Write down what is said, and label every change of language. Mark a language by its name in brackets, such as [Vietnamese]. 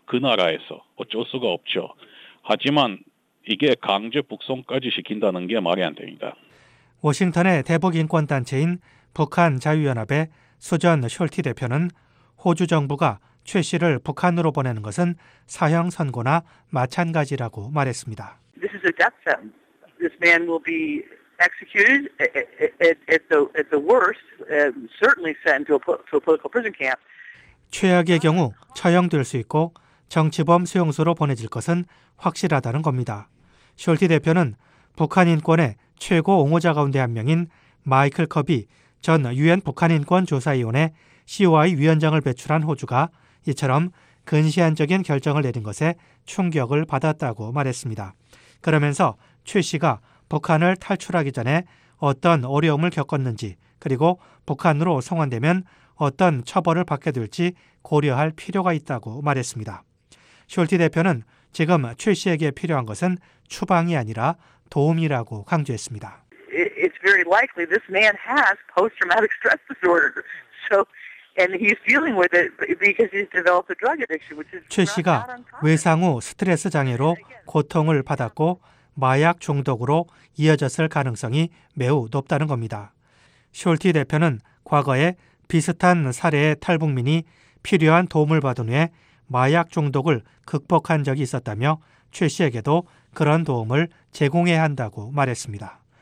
[Korean] 그 나라에서 어쩔 수가 없죠. 하지만 이게 강제 북송까지 시킨다는 게 말이 안 됩니다. 워싱턴의 대북인권단체인 북한자유연합의 수전 숄티 대표는 호주 정부가 최 씨를 북한으로 보내는 것은 사형 선고나 마찬가지라고 말했습니다. [English] This is a death sentence. This man will be executed at the worst, certainly sent to a political prison camp. [Korean] 최악의 경우 처형될 수 있고 정치범 수용소로 보내질 것은 확실하다는 겁니다. 숄티 대표는 북한 인권의 최고 옹호자 가운데 한 명인 마이클 커비 전 유엔 북한인권조사위원회 COI 위원장을 배출한 호주가 이처럼 근시안적인 결정을 내린 것에 충격을 받았다고 말했습니다. 그러면서 최 씨가 북한을 탈출하기 전에 어떤 어려움을 겪었는지 그리고 북한으로 송환되면 어떤 처벌을 받게 될지 고려할 필요가 있다고 말했습니다. 숄티 대표는 지금 최 씨에게 필요한 것은 추방이 아니라 도움이라고 강조했습니다. [English] It's very likely this man has post-traumatic stress disorder. So, and he's dealing with it because he's developed a drug addiction, which is [Korean] 최 씨가 외상 후 스트레스 장애로 고통을 받았고 마약 중독으로 이어졌을 가능성이 매우 높다는 겁니다. 숄티 대표는 과거에 비슷한 사례의 탈북민이 필요한 도움을 받은 후에 마약 중독을 극복한 적이 있었다며 최 씨에게도 그런 도움을 제공해야 한다고 말했습니다.